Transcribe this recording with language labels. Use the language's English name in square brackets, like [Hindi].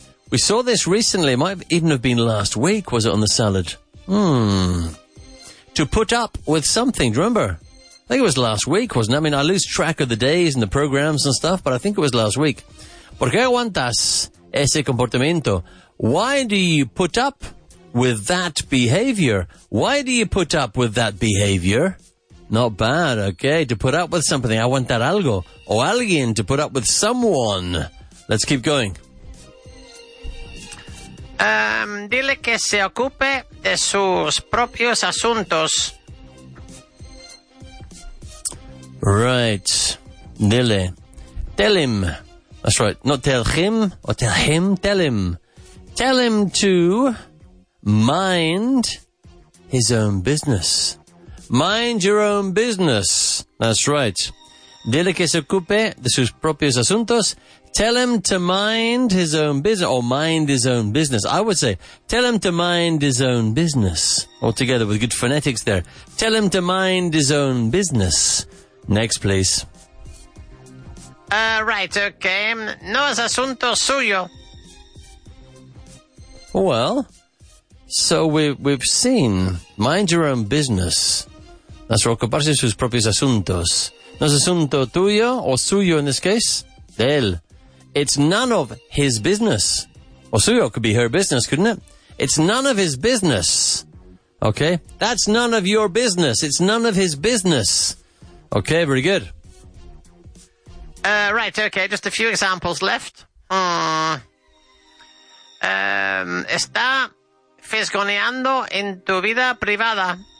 [English] We saw this recently, it might even have been last week, was it, on the salad? To put up with something, do you remember? I think it was last week, wasn't it? I mean, I lose track of the days and the programs and stuff, but I think it was last week. [Spanish] ¿Por qué aguantas ese comportamiento? [English] Why do you put up with that behavior? Why do you put up with that behavior? Not bad, okay. To put up with something, [Spanish] aguantar algo. O alguien, [English] to put up with someone. Let's keep going. [Spanish] Dile que se ocupe de sus propios asuntos. [English] Right. Dile. Tell him. That's right. Not tell him or tell him. Tell him. Tell him to mind his own business. Mind your own business. That's right. [Spanish] Dile que se ocupe de sus propios asuntos. [English] Tell him to mind his own business, or mind his own business. I would say, tell him to mind his own business. Altogether with good phonetics there. Tell him to mind his own business. Next, please. [Spanish] Right, okay. No es asunto suyo. [English] Well, so we've seen, mind your own business. [Spanish] That's ocuparse de sus propios asuntos. No es asunto tuyo, or suyo [English] in this case, [Spanish] de él. [English] It's none of his business. Or suyo could be her business, couldn't it? It's none of his business. Okay? That's none of your business. It's none of his business. Okay, very good. Right, okay. Just a few examples left. [Spanish] Está fisgoneando en tu vida privada.